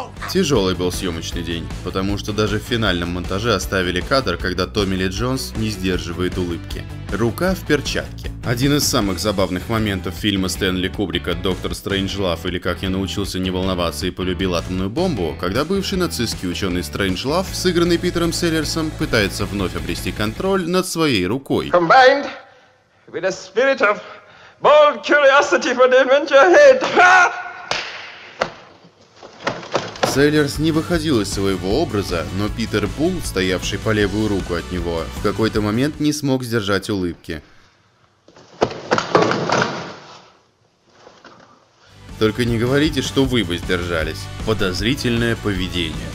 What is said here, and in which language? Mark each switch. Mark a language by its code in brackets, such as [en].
[ru] Тяжелый был съемочный день, потому что даже в финальном монтаже оставили кадр, когда Томми Ли Джонс не сдерживает улыбки. Рука в перчатке. Один из самых забавных моментов фильма Стэнли Кубрика «Доктор Стрэндж-Лав» или «Как я научился не волноваться и полюбил атомную бомбу», когда бывший нацистский ученый Стрэндж-Лав, сыгранный Питером Селлерсом, пытается вновь обрести контроль над своей рукой. [en] Combined with a spirit of bold curiosity for the adventure ahead. [ru] Селлерс не выходил из своего образа, но Питер Пул, стоявший по левую руку от него, в какой-то момент не смог сдержать улыбки. Только не говорите, что вы бы сдержались. Подозрительное поведение.